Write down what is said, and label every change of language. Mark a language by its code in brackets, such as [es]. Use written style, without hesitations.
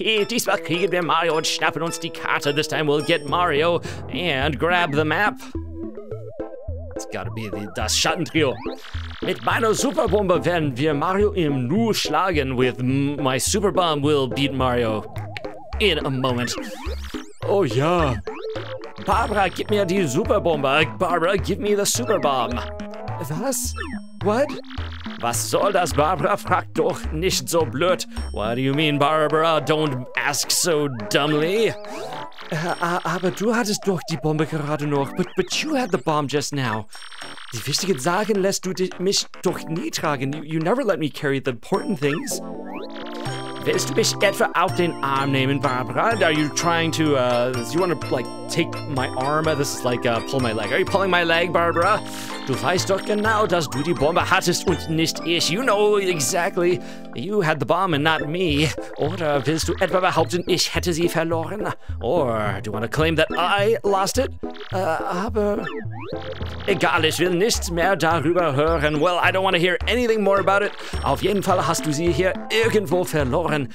[de] Diesmal kriegen wir Mario und schnappen uns die Karte. [en] This time we'll get Mario and grab the map. It's gotta be [de] das Schattentrio. Mit meiner Superbombe werden wir Mario im Nu schlagen. [en] With my Superbomb, we'll beat Mario in a moment. Oh yeah. [de] Barbara, gib mir die Superbombe. [en] Barbara, give me the Superbomb. [de] Was? [en] What? [de] Was soll das, Barbara? Frag doch nicht so blöd. [en] What do you mean, Barbara? Don't ask so dumbly. [de] Aber du hattest doch die Bombe gerade noch. [en] But you had the bomb just now. [de] Die wichtigen Sachen lässt du mich doch nie tragen. [en] You never let me carry the important things. [de] Willst du mich etwa auf den Arm nehmen, Barbara? [en] Are you trying to, you want to, like, take my arm? This is like, pull my leg. Are you pulling my leg, Barbara? [de] Du weißt doch genau, dass du die Bombe hattest und nicht ich. [en] You know exactly. You had the bomb and not me. [de] Oder willst du etwa behaupten, ich hätte sie verloren? [en] Or do you want to claim that I lost it? [de] Aber... Egal, ich will nichts mehr darüber hören. [en] Well, I don't want to hear anything more about it. [de] Auf jeden Fall hast du sie hier irgendwo verloren.